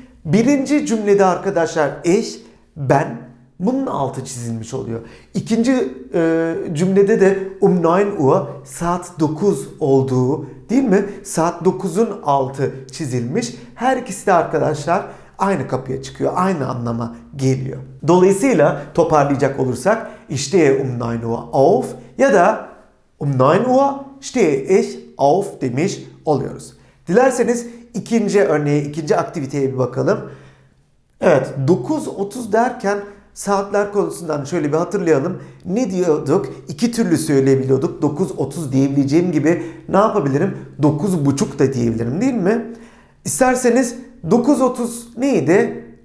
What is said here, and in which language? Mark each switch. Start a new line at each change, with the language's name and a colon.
Turkish: Birinci cümlede arkadaşlar ich, ben, bunun altı çizilmiş oluyor. İkinci cümlede de 9 Uhr, saat 9 olduğu, değil mi? Saat 9'un altı çizilmiş. Her ikisi de arkadaşlar aynı kapıya çıkıyor, aynı anlama geliyor. Dolayısıyla toparlayacak olursak
German: stehe 9 Uhr auf
Turkish: ya da
German: 9 Uhr stehe ich auf
Turkish: demiş oluyoruz. Dilerseniz ikinci örneğe, ikinci aktiviteye bir bakalım. Evet, 9.30 derken saatler konusundan şöyle bir hatırlayalım. Ne diyorduk? İki türlü söyleyebiliyorduk. 9.30 diyebileceğim gibi ne yapabilirim? 9.30 da diyebilirim, değil mi? İsterseniz 9.30 neydi?